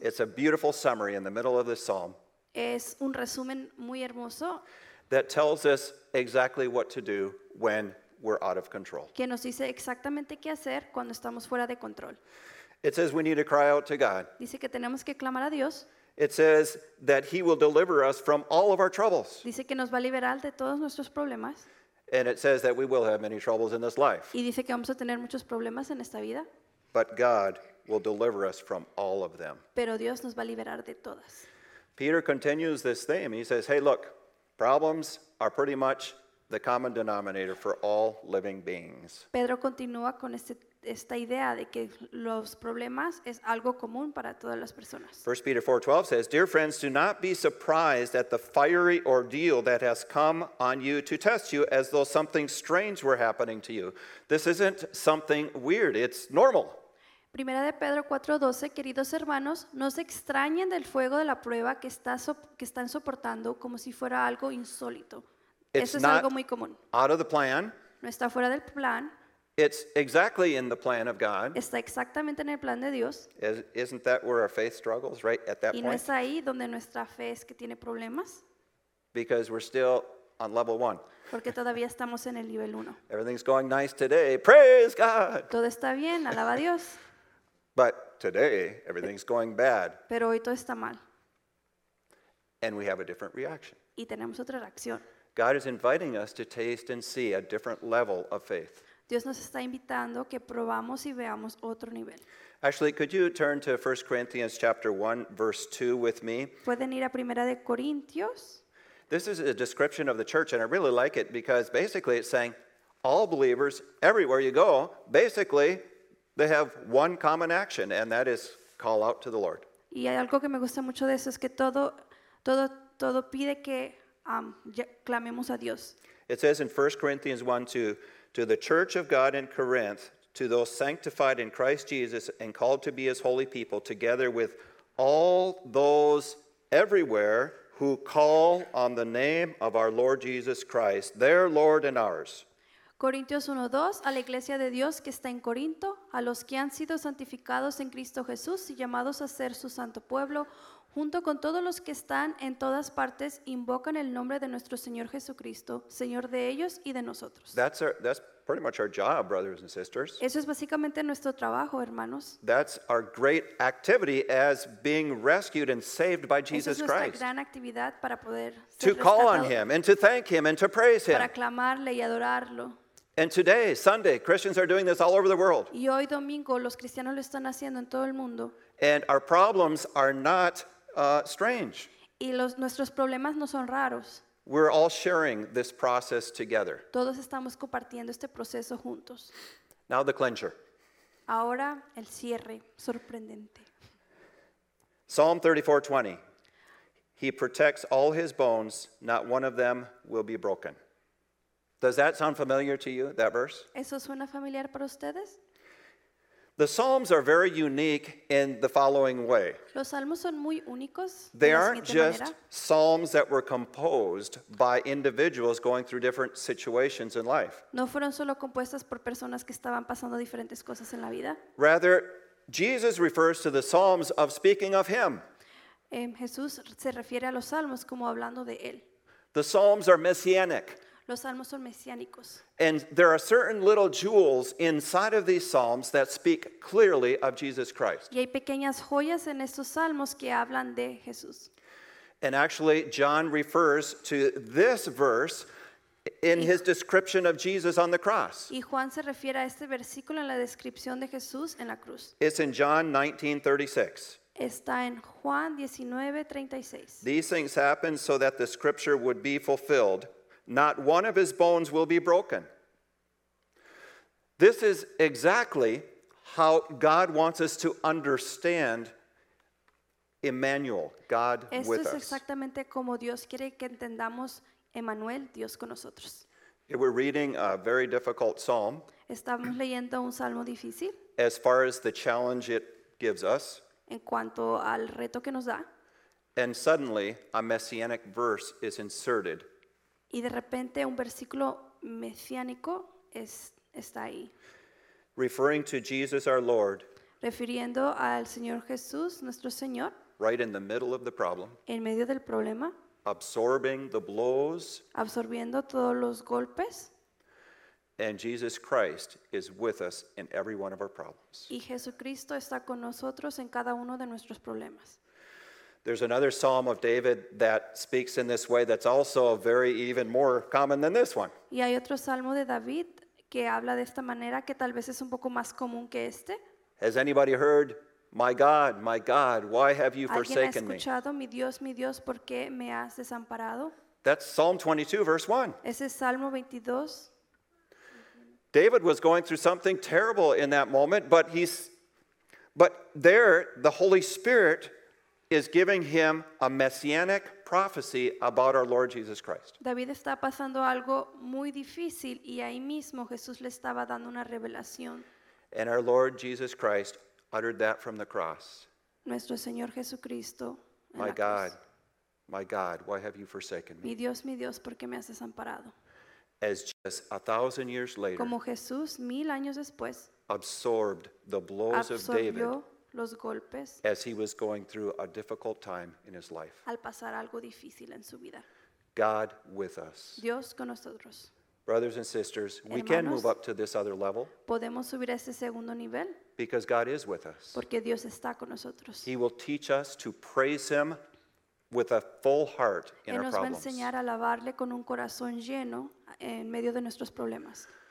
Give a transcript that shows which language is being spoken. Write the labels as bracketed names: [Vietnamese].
[English] It's a beautiful summary in the middle of this psalm. [Spanish] Es un resumen muy hermoso. [English] That tells us exactly what to do when we're out of control. [Spanish] Que nos dice exactamente qué hacer cuando estamos fuera de control. [English] It says we need to cry out to God. [Spanish] Dice que tenemos que clamar a Dios. [English] It says that he will deliver us from all of our troubles. [Spanish] Dice que nos va a liberar de todos nuestros problemas. [English] And it says that we will have many troubles in this life. [Spanish] Y dice que vamos a tener muchos problemas en esta vida. [English] But God will deliver us from all of them. [Spanish] Pero Dios nos va a liberar de todas. [English] Peter continues this theme. He says, hey, look, problems are pretty much the common denominator for all living beings. [Spanish] Pedro continúa con esta idea de que los problemas es algo común para todas las personas. [English] 1 Peter 4:12 says, dear friends, do not be surprised at the fiery ordeal that has come on you to test you as though something strange were happening to you. This isn't something weird, it's normal. [Spanish] Primera de Pedro 4:12, queridos hermanos, no se extrañen del fuego de la prueba que están soportando como si fuera algo insólito. [English] It's [Spanish] eso es [English] not [Spanish] algo muy común. [English] Out of the plan. [Spanish] No está fuera del plan. [English] It's exactly in the plan of God. [Spanish] Está exactamente en el plan de Dios. [English] Isn't that where our faith struggles, right, at that [Spanish] y [English] point? [Spanish] Y no es ahí donde nuestra fe es que tiene problemas. [English] Because we're still on level one. [Spanish] Porque todavía estamos en el nivel uno. [English] Everything's going nice today. Praise God. [Spanish] Todo está bien. Alaba a Dios. [English] But today, everything's going bad. [Spanish] Pero hoy todo está mal. [English] And we have a different reaction. [Spanish] Y tenemos otra reacción. [English] God is inviting us to taste and see a different level of faith. [Spanish] Dios nos está invitando que probamos y veamos otro nivel. [English] Actually, could you turn to 1 Corinthians chapter 1, verse 2 with me? [Spanish] ¿Pueden ir a Primera de Corintios? [English] This is a description of the church, and I really like it because basically it's saying all believers, everywhere you go, basically they have one common action, and that is call out to the Lord. [Spanish] Y hay algo que me gusta mucho de eso, es que todo pide que clamemos a Dios. [English] It says in 1 Corinthians 1, 2, to the church of God in Corinth, to those sanctified in Christ Jesus and called to be his holy people, together with all those everywhere who call on the name of our Lord Jesus Christ, their Lord and ours. [Spanish] Corintios 1, 2, a la iglesia de Dios que está en Corinto, a los que han sido santificados en Cristo Jesús y llamados a ser su santo pueblo, junto con todos los que están en todas partes, invocan el nombre de nuestro Señor Jesucristo, Señor de ellos y de nosotros. [English] That's pretty much our job, brothers and sisters. [Spanish] Eso es básicamente nuestro trabajo, hermanos. [English] That's our great activity as being rescued and saved by Jesus Christ. [Spanish] Es nuestra gran actividad para poder ser rescatado. [English] To call on him and to thank him and to praise him. [Spanish] Para clamarle y adorarlo. [English] And today, Sunday, Christians are doing this all over the world. [Spanish] Y hoy domingo los cristianos lo están haciendo en todo el mundo. [English] And our problems are not strange. [Spanish] Y los nuestros problemas no son raros. [English] We're all sharing this process together. [Spanish] Todos estamos compartiendo este proceso juntos. [English] Now the clincher. [Spanish] Ahora el cierre sorprendente. [English] Psalm 34:20. He protects all his bones, not one of them will be broken. Does that sound familiar to you, that verse? [Spanish] ¿Eso suena familiar para ustedes? [English] The Psalms are very unique in the following way. [Spanish] Los Salmos son muy únicos. [English] They aren't just Psalms that were composed by individuals going through different situations in life. [Spanish] No fueron solo compuestas por personas que estaban pasando diferentes cosas en la vida. [English] Rather, Jesus refers to the Psalms of speaking of him. [Spanish] Jesús se refiere a los Salmos como hablando de él. [English] The Psalms are messianic. [Spanish] Los Salmos son mesiánicos. [English] And there are certain little jewels inside of these Psalms that speak clearly of Jesus Christ. [Spanish] Y hay pequeñas joyas en estos Salmos que hablan de Jesús. [English] And actually, John refers to this verse in his description of Jesus on the cross. [Spanish] Y Juan se refiere a este versículo en la descripción de Jesús en la cruz. [English] It's in John 19:36. [Spanish] Está en Juan 19:36. [English] These things happened so that the scripture would be fulfilled. Not one of his bones will be broken. This is exactly how God wants us to understand Emmanuel, God [Spanish] Esto [English] with [Spanish] es [English] us. [Spanish] Esto es exactamente como Dios quiere que entendamos Emmanuel, Dios con nosotros. [English] We're reading a very difficult psalm. [Spanish] Estamos leyendo un salmo difícil. [English] As far as the challenge it gives us. [Spanish] En cuanto al reto que nos da. [English] And suddenly a messianic verse is inserted. [Spanish] Y de repente un versículo mesiánico está ahí. [English] Referring to Jesus our Lord. [Spanish] Refiriendo al Señor Jesús, nuestro Señor. [English] Right in the middle of the problem. [Spanish] En medio del problema. [English] Absorbing the blows. [Spanish] Absorbiendo todos los golpes. [English] And Jesus Christ is with us in every one of our problems. [Spanish] Y Jesucristo está con nosotros en cada uno de nuestros problemas. [English] There's another psalm of David that speaks in this way that's also very even more common than this one. [Spanish] Y hay otro salmo de David que habla de esta manera que tal vez es un poco más común que este. [English] Has anybody heard, my God, why have you forsaken me? [Spanish] ¿Alguien ha escuchado, mi Dios, por qué me has desamparado? [English] That's Psalm 22, verse 1. [Spanish] Ese es Salmo 22. [English] David was going through something terrible in that moment, but there the Holy Spirit is giving him a messianic prophecy about our Lord Jesus Christ. [Spanish] David está pasando algo muy difícil y ahí mismo Jesús le estaba dando una revelación. [English] And our Lord Jesus Christ uttered that from the cross. [Spanish] Nuestro Señor Jesucristo. [English] My God, my God, why have you forsaken me? [Spanish] Mi Dios, ¿por qué me has desamparado? [English] As just 1,000 years later. [Spanish] Como Jesús, 1,000 años después. [English] Absorbed the blows of David. [Spanish] Los golpes, [English] as he was going through a difficult time in his life. [Spanish] Al pasar algo difícil en su vida. [English] God with us. [Spanish] Dios con nosotros. [English] Brothers and sisters, [Spanish] Hermanos, [English] we can move up to this other level. [Spanish] Podemos subir a ese segundo nivel. [English] Because God is with us. [Spanish] Porque Dios está con nosotros. [English] He will teach us to praise him with a full heart in our problems. [Spanish] Él nos va a enseñar a alabarle con un corazón lleno en medio de nuestros problemas.